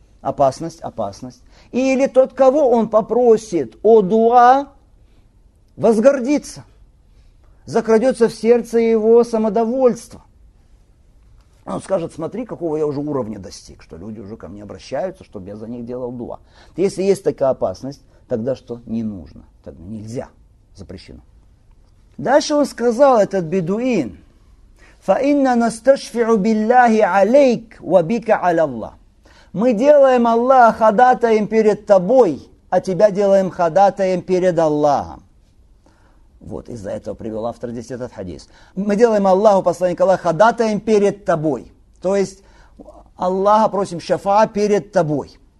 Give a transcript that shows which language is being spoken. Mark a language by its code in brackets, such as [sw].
[ru] Опасность, опасность. Или тот, кого он попросит о дуа, возгордится. Закрадется в сердце его самодовольство. Он скажет, смотри, какого я уже уровня достиг, что люди уже ко мне обращаются, чтобы я за них делал дуа. Если есть такая опасность, тогда что? Не нужно. Тогда нельзя. Запрещено. Дальше он сказал, этот бедуин, [ar] فَإِنَّ نَسْتَشْفِعُ بِاللَّهِ عَلَيْكَ وَبِكَ عَلَى اللَّهِ. [ru] Мы делаем Аллаха ходатаем перед тобой, а тебя делаем ходатаем перед Аллахом. Вот, из-за этого привел автор здесь этот хадис. Мы делаем Аллаху, посланника Аллаха, ходатаем перед тобой. То есть, Аллаха просим шафа перед тобой.